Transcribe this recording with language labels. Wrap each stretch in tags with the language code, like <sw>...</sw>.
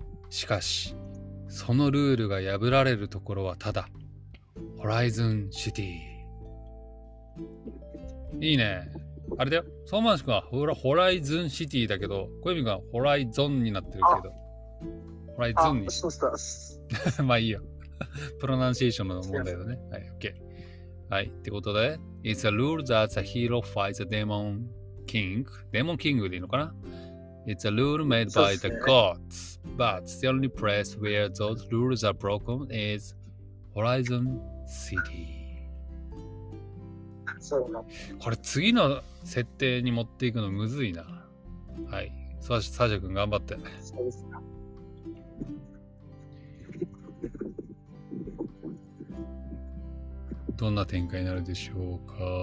<ja>しかし、そのルールが破られるところはただ、ホライズンシティ。いいね。あれだよ、ソーマン君はホライズンシティだけど、小泉君はホライゾンになってるけど、ホライズンに。あ、そうした。まあいいよ。プロナンシエーションの問題だね。はい、OK。はい、ってことで、</ja> <en>It's a rule that the hero fights the demon king.</en> <ja>デモンキングでいいのかな。</ja> <en>It's a rule made by the gods, but the only place where those rules are broken is Horizon City.</en> <ja>そうな。これ次の設定に持っていくのむずいな。はい、サージャ君頑張って。そうですか。どんな展開になるでしょうか。</ja>